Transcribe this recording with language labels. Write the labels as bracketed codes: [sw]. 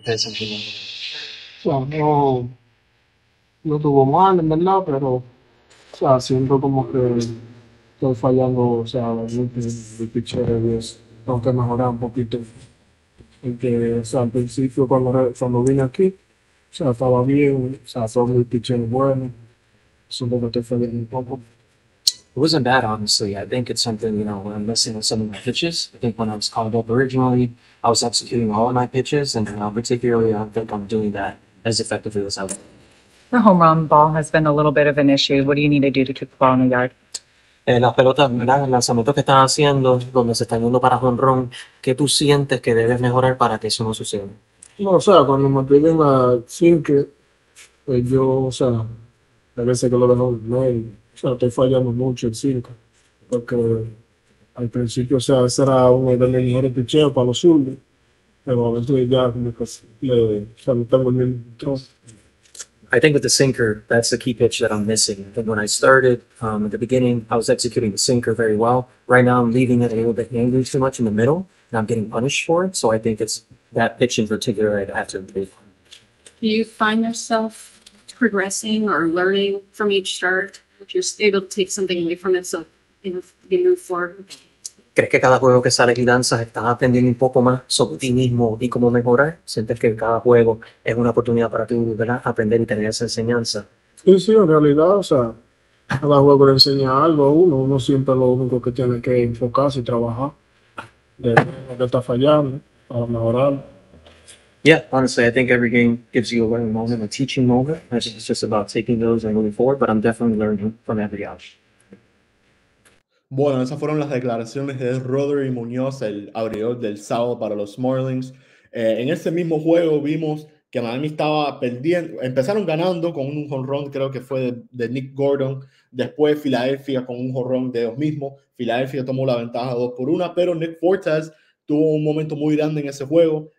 [es] O sea, no tuvo mal, en verdad, pero o sea, siento como que estoy fallando, o sea, el pitcher, tengo que mejorar un poquito. Porque, o sea, al principio cuando vine aquí, o sea, estaba bien, o sea, todo el pitcher bueno, siento que estoy fallando un poco. [en] It wasn't bad, honestly. I think it's something, when I'm missing with some of my pitches. I think when I was called up originally, I was executing all of my pitches, and particularly, I don't think I'm doing that as effectively as I would. The home run ball has been a little bit of an issue. What do you need to do to keep the ball in the yard? [es] Las pelotas, ¿verdad? El lanzamiento que están haciendo, donde se están yendo para home run, ¿qué tú sientes que debes mejorar para que eso no suceda? No, o sea, cuando me piden a cinco, pues yo, o sea, a veces que lo dejo en medio, o sea, estoy fallando mucho en cinco, porque al principio, o sea, ese era uno de los mejores picheos para los zurdos, pero a veces ya, como que, o sea, no tengo ni un trozo. [en] I think with the sinker, that's the key pitch that I'm missing. I think when I started at the beginning, I was executing the sinker very well. Right now, I'm leaving it a little bit angry too much in the middle, and I'm getting punished for it. So I think it's that pitch in particular I'd have to improve. Do you find yourself progressing or learning from each start? If you're able to take something away from it, so you move forward. [es] ¿Crees que cada juego que sale y lanzas estás aprendiendo un poco más sobre ti mismo y cómo mejorar? ¿Sientes que cada juego es una oportunidad para ti, ¿verdad?, aprender y tener esa enseñanza? Sí, en realidad, o sea, cada juego le enseña algo a uno. Uno siempre lo único que tiene que enfocarse y trabajar de lo que está fallando para mejorar. [en] Yeah, honestly, I think every game gives you a learning moment, a teaching moment. It's just about taking those and moving forward, but I'm definitely learning from every outing. [es] Bueno, esas fueron las declaraciones de Rodri Muñoz, el abridor del sábado para los Marlins. En ese mismo juego vimos que Miami estaba perdiendo, empezaron ganando con un jonrón, creo que fue de Nick Gordon. Después Filadelfia con un jonrón de ellos mismos. Filadelfia tomó la ventaja 2-1, pero Nick Fuertes tuvo un momento muy grande en ese juego.